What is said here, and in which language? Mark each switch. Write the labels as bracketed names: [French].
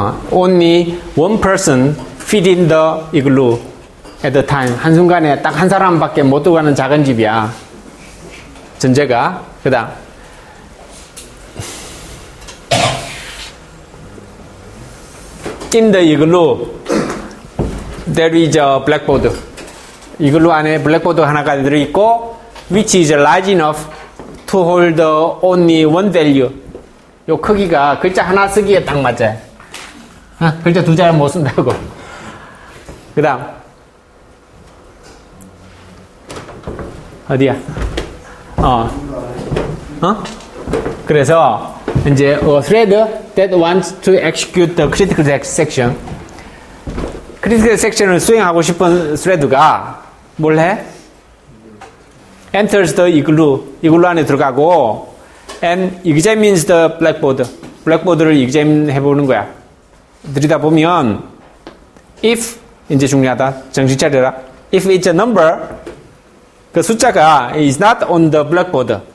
[English] Only one person fit in the igloo at the time. [Korean] 한순간에 딱 한 사람밖에 못 들어가는 작은 집이야. 전제가, 그 다음. [English] In the igloo, there is a blackboard. [Korean] 이글루 안에 블랙보드 하나가 들어있고, [English] which is large enough to hold only one value. [Korean] 요 크기가 글자 하나 쓰기에 딱 맞아. 아, 글자 두 자를 못 쓴다고. 그 다음. 어디야? 그래서 이제 [English] thread that wants to execute the critical section. [Korean] 크리티컬 섹션을 수행하고 싶은 스레드가 뭘 해? [English] Enters the igloo. [Korean] 이글루 안에 들어가고 [English] and examines the blackboard. [Korean] 블랙보드를 examine 해보는 거야. 들이다 보면 if 이제 중요하다. 정신 차려라. [English] If it's a number, [Korean] 그 숫자가 [English] is not on the blackboard.